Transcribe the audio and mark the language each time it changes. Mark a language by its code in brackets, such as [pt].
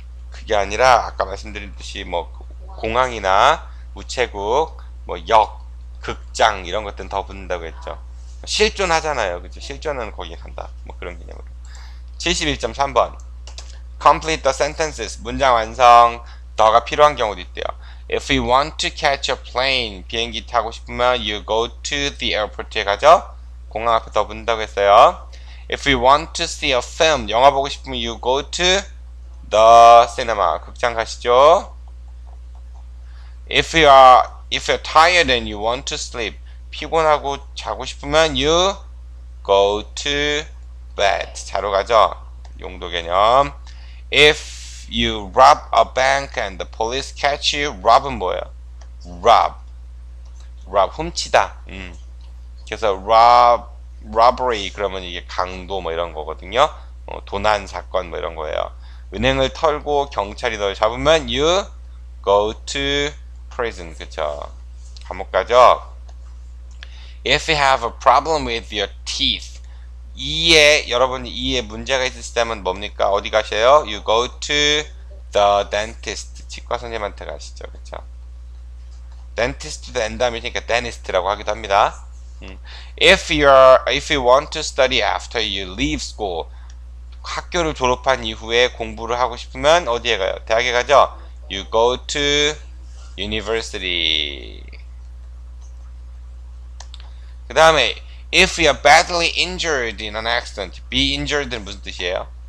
[ko] 그게 아니라 아까 말씀드린 듯이 뭐 공항이나 우체국, 뭐 역, 극장 이런 것들은 더 붙는다고 했죠. 실존하잖아요, 그죠? 실존은 거기에 간다, 뭐 그런 개념으로. [en] 71.3번, complete the sentences. [ko] 문장 완성. 너가 필요한 경우도 있대요. [en] If you want to catch a plane, [ko] 비행기 타고 싶으면 [en] you go to the airport에 가죠. [ko] 공항 앞에 더 붙는다고 했어요. [en] If you want to see a film, [ko] 영화 보고 싶으면 [en] you go to the cinema, [ko] 극장 가시죠. [en] If you're tired and you want to sleep, [ko] 피곤하고 자고 싶으면 [en] you go to bed, [ko] 자러 가죠. 용도 개념. [en] If you rob a bank and the police catch you, rob은 [ko] 뭐예요? rob, 훔치다. 그래서 robbery 그러면 이게 강도 뭐 이런 거거든요. 도난 사건 뭐 이런 거예요. 은행을 털고 경찰이 널 잡으면 [en] you go to prison, [ko] 그쵸? 감옥 가죠. [en] If you have a problem with your teeth, [ko] 이에 여러분 이에 문제가 있을 때면 뭡니까? 어디 가세요? [en] You go to the dentist, [ko] 치과 선생님한테 가시죠, 그쵸? Dentist도 N다음이니까 dentist라고 하기도 합니다. [en] If you want to study after you leave school, [ko] 학교를 졸업한 이후에 공부를 하고 싶으면 어디에 가요? 대학에 가죠. [en] You go to university. [ko] 그 다음에 [en] if you're badly injured in an accident, be injured는 [ko] 무슨 뜻이에요?